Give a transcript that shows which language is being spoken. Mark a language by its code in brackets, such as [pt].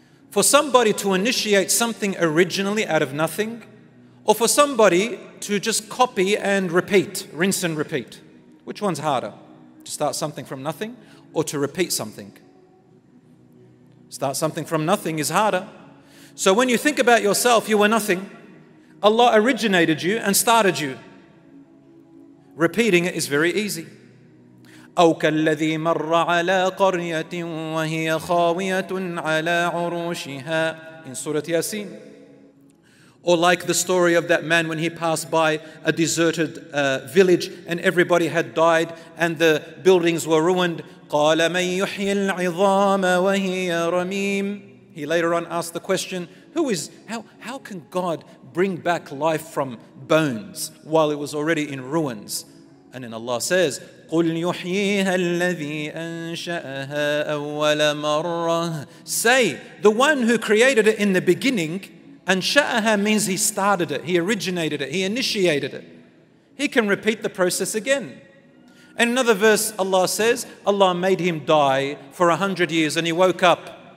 [en] For somebody to initiate something originally out of nothing, or for somebody to just copy and repeat, rinse and repeat? Which one's harder? To start something from nothing or to repeat something? Start something from nothing is harder. So when you think about yourself, you were nothing. Allah originated you and started you. Repeating it is very easy. [ar] أو كالذي مر على قرية وهي خاوية على عروشها [en] in Surah Yasin. Or like the story of that man when he passed by a deserted village and everybody had died and the buildings were ruined. [ar] قال من يحيي العظام وهي رميم. [en] He later on asked the question, how can God bring back life from bones while it was already in ruins? And then Allah says, [ar] قُلْ يُحْيِيهَا الَّذِي أَنْشَأَهَا أَوَّلَ مَرَّةً. [en] Say, the one who created it in the beginning, أَنْشَأَهَا means he started it, he originated it, he initiated it. He can repeat the process again. And another verse Allah says, Allah made him die for 100 years and he woke up.